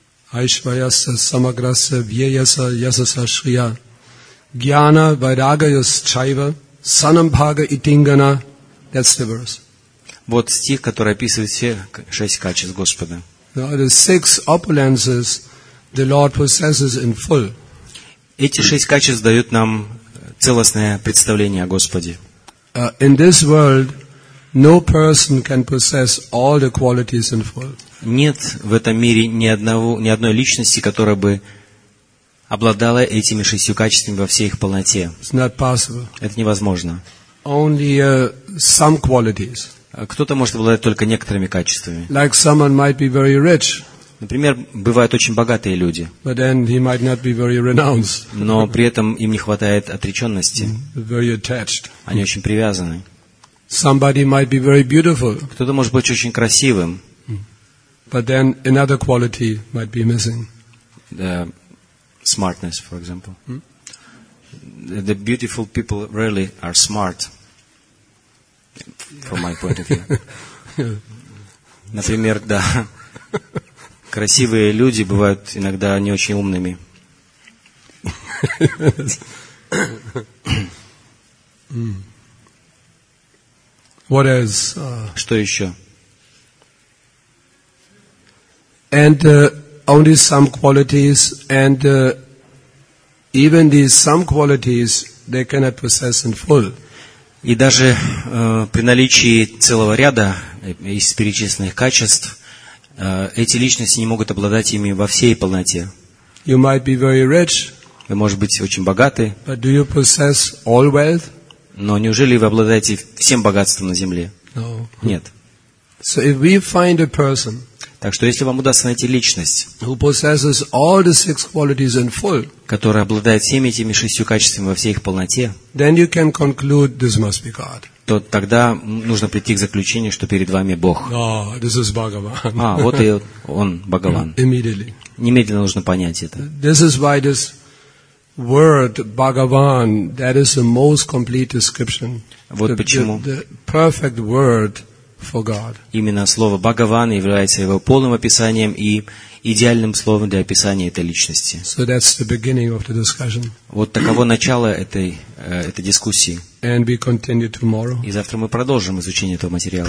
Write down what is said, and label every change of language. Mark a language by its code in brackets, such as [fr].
[sa] Aishvayasa Samagrasa Vyayasa Yasasashriya Jnana Vairagayas Chaiva Sanambhaga Itingana. [en] That's the verse. [ru] Вот стих, который описывает все шесть качеств Господа. [en] Now, the six opulences the Lord possesses in full. [ru] Эти шесть качеств дают нам целостное представление о Господе. [en] In this world, no person can possess all the qualities in full. [ru] Нет в этом мире ни одной личности, которая бы обладала этими шестью качествами во всей их полноте. [en] It's not possible. [ru] Это невозможно. [en] Only some qualities. [ru] Кто-то может обладать только некоторыми качествами. [en] Like someone might be very rich. [ru] Например, бывают очень богатые люди. [en] But then he might not be very renounced. [ru] Но при этом им не хватает отреченности. [en] Very attached. [ru] Они очень привязаны. [en] Somebody might be very beautiful. [ru] Кто-то может быть очень красивым. [en] But then another quality might be missing. The smartness, for example. The beautiful people rarely are smart. From my point of view. [ru] Например, да. Красивые люди бывают иногда не очень умными. [en] What else? [ru] Что еще? [en] And only some qualities, and even these some qualities they cannot possess in full. [ru] И даже при наличии целого ряда из перечисленных качеств эти личности не могут обладать ими во всей полноте. [en] You might be very rich, [ru] вы, может быть, очень богаты, [en] but do you possess all wealth? [ru] Но неужели вы обладаете всем богатством на земле? [en] No. [ru] Нет. [en] So if we find a person, [ru] так что если вам удастся найти личность, [en] who possesses all the six qualities in full, [ru] которая обладает всеми этими шестью качествами во всей их полноте, [en] then you can conclude this must be God. [ru] То тогда нужно прийти к заключению, что перед вами Бог. [en] Oh, this is Bhagavan. [ru] А, вот и он, Бхагаван. [en] Immediately. [ru] Немедленно нужно понять это. [en] This is why this word Bhagavan, that is the most complete description. [ru] Вот [en] the, [ru] почему. [en] The perfect word for God. [ru] Именно слово Бхагаван является его полным описанием и идеальным словом для описания этой личности. [en] So that's the beginning of the discussion. [ru] Вот таково начало этой, этой дискуссии. [en] And we continue tomorrow. [ru] И завтра мы продолжим изучение этого материала.